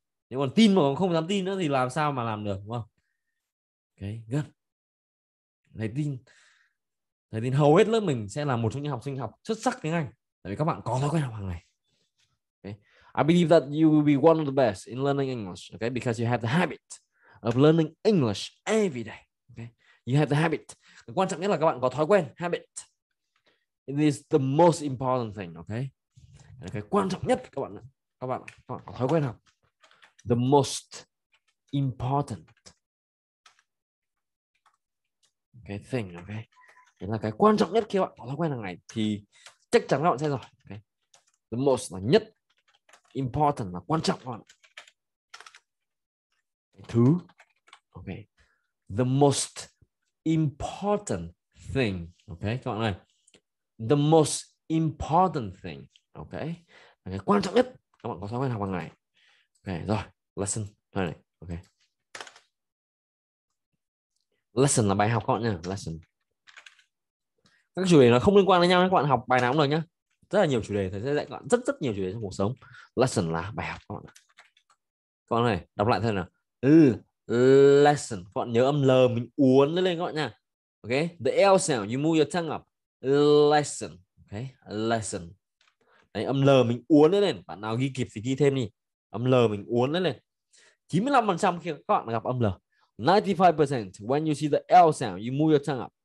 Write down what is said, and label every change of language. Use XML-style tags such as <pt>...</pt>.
<vi>Nếu còn tin mà còn không dám tin nữa thì làm sao mà làm được đúng không? Ok, good. Thầy tin hầu hết lớp mình sẽ là một trong những học sinh học xuất sắc tiếng Anh. Tại vì các bạn có thói quen học hàng ngày.</vi> <en>Okay. I believe that you will be one of the best in learning English, okay? Because you have the habit of learning English every day. You have the habit.</en> <vi>Cái quan trọng nhất là các bạn có thói quen.</vi> <en>Habit. It is the most important thing. Okay.</en> <vi>Cái quan trọng nhất các bạn có thói quen học.</vi> <en>The most important. Okay. Thing. Okay.</en> <vi>Đó là cái quan trọng nhất khi bạn có thói quen hàng ngày thì chắc chắn các bạn sẽ giỏi. Okay. The most là nhất. Important là quan trọng các bạn.</vi> <en>Thứ. Okay. The most important thing, okay, các bạn ơi. The most important thing, okay.</en> <vi>Là cái quan trọng nhất. Các bạn có thói quen học hàng ngày. Okay, rồi. Lesson thôi này. Okay. Lesson là bài học các bạn nhá. Lesson. Các chủ đề nó không liên quan đến nhau, các bạn học bài nào cũng được nhá. Rất là nhiều chủ đề, thầy sẽ dạy các bạn rất rất nhiều chủ đề trong cuộc sống. Lesson là bài học các bạn. Các bạn ơi, đọc lại thôi nào. Lesson, các bạn nhớ âm L mình uốn lên các bạn nha.</vi> <en>Ok, the L sound, you move your tongue up. Lesson, ok, lesson.</en> <vi>Đấy, âm L mình uốn lên, bạn nào ghi kịp thì ghi thêm đi. Âm L mình uốn lên. 95% khi các bạn gặp âm L.</vi> <en>95% when you see the L sound, you move your tongue up.</en>